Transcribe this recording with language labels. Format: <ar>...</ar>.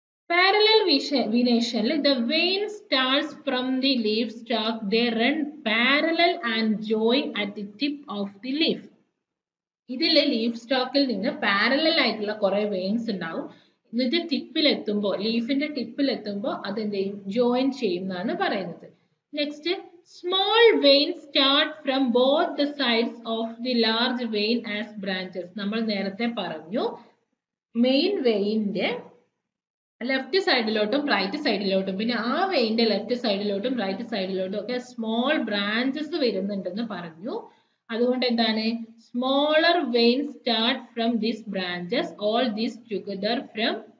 <en>Parallel വിനേഷനിൽ the vein starts from the leaf stalk, they run parallel and join at the tip of the leaf.</en> <ml>ഇതില് leaf സ്റ്റോക്കിൽ നിന്ന് parallel ആയിട്ടുള്ള കുറെ veins ഉണ്ടാവും. ഇതിന്റെ ടിപ്പിലെത്തുമ്പോ, ലീഫിന്റെ ടിപ്പിലെത്തുമ്പോ അതെന്തെയും join ചെയ്യും എന്നാണ് പറയുന്നത്. Next,</ml> <en>Small veins start from both the sides of the large vein as branches.</en> <ml>നമ്മൾ നേരത്തെ പറഞ്ഞു മെയിൻ വെയിൻ്റെ ലെഫ്റ്റ് സൈഡിലോട്ടും റൈറ്റ് സൈഡിലോട്ടും പിന്നെ ആ വെയിൻ്റെ ലെഫ്റ്റ് സൈഡിലോട്ടും റൈറ്റ് സൈഡിലോട്ടും ഒക്കെ സ്മോൾ ബ്രാഞ്ചസ് വരുന്നുണ്ടെന്ന് പറഞ്ഞു. അതുകൊണ്ട് എന്താണ്,</ml> <en>Smaller veins start from these branches all these together from.</en>